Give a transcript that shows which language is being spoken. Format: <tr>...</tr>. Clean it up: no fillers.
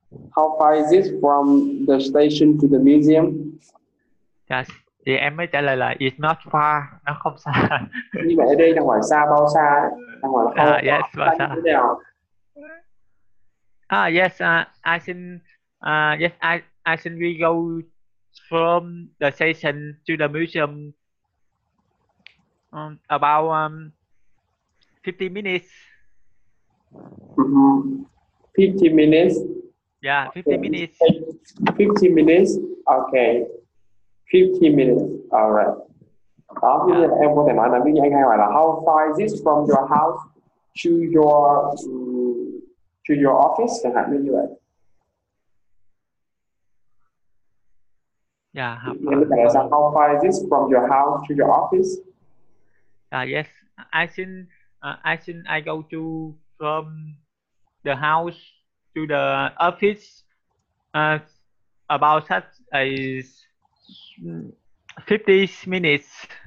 <en>How far is this from the station to the museum? Yes.</en> <vi>Thì em mới trả lời là</vi> <en>it's not far,</en> <vi>nó không xa. Như vậy ở đây đang hỏi xa bao xa, đang hỏi là không</vi> <en>yes,</en> <vi>bao xa như thế nào.</vi> <en>Yes, I think we go from the station to the museum about 50 minutes. Mm-hmm. 50 minutes? Yeah, 50 okay. Minutes. 50 minutes, okay. 50 minutes, alright. Yeah.</en> <vi>Em có thể nói là, ví dụ anh hay hỏi là</vi> <en>how far is this from your house to your office,</en> <vi>chẳng hạn như vậy.</vi> <en>Yeah, how far is this from your house to your office? Yes, I think I go to from the house to the office about such as 50 minutes.</en>